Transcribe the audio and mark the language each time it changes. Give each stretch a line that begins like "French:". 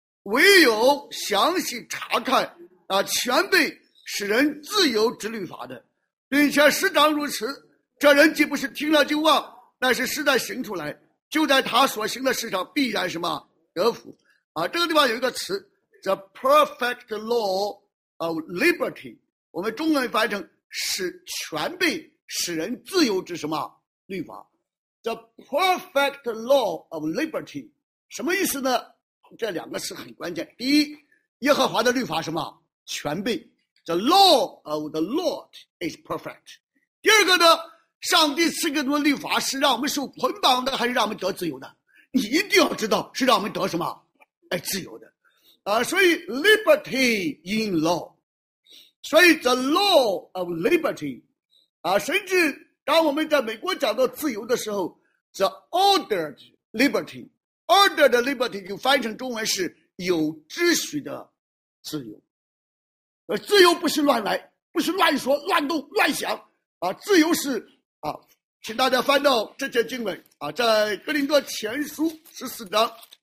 Chinese: 唯有详细查看啊，全备使人自由之律法的，并且时常如此，这人既不是听了就忘，乃是实在行出来，就在他所行的事上必然什么得福。啊，这个地方有一个词 ,
English: the perfect law of liberty,
Chinese: 我们中文翻译成是全备使人自由之什么律法。
English: The perfect law of liberty,
Chinese: 什么意思呢？这两个词很关键。第一，耶和华的律法什么全备。
English: The law of the Lord is perfect.
Chinese: 第二个呢，上帝赐给我们律法是让我们受捆绑的还是让我们得自由的？你一定要知道是让我们得什么哎，自由的，啊，所以
English: liberty in law，
Chinese: 所以
English: the law of liberty，
Chinese: 啊，甚至当我们在美国讲到自由的时候 ，
English: the ordered liberty，
Chinese: ordered liberty 就翻译成中文是有秩序的自由，自由不是乱来，不是乱说、乱动、乱想，啊，自由是啊，请大家翻到这节经文啊，在哥林多前书十四章。